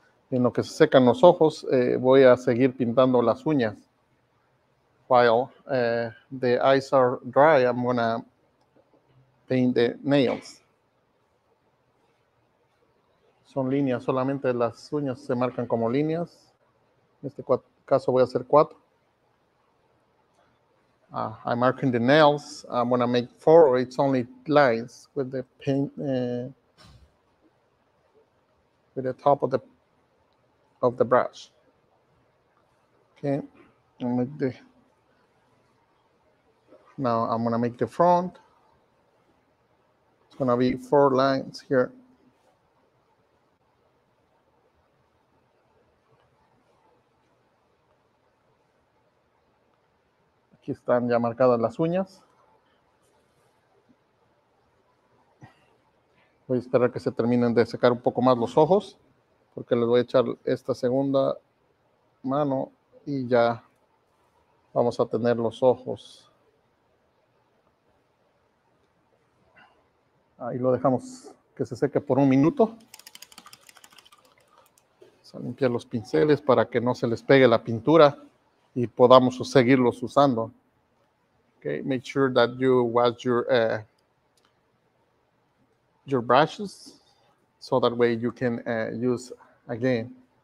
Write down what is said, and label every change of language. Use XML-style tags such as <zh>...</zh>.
<es>En lo que se secan los ojos, voy a seguir pintando las uñas.</es> <en>While the eyes are dry, I'm gonna paint the nails.</en> <es>Son líneas, solamente las uñas se marcan como líneas. En este caso voy a hacer cuatro.</es> <en>I'm marking the nails. I'm going to make four. It's only lines with the paint, with the top of the brush. Okay. Now I'm going to make the front. It's going to be four lines here.</en> <es>Aquí están ya marcadas las uñas. Voy a esperar que se terminen de secar un poco más los ojos, porque les voy a echar esta segunda mano y ya vamos a tener los ojos. Ahí lo dejamos que se seque por un minuto. Vamos a limpiar los pinceles para que no se les pegue la pintura y podamos seguirlos usando.</es> <en>Okay, make sure that you wash your brushes so that way you can use again.</en>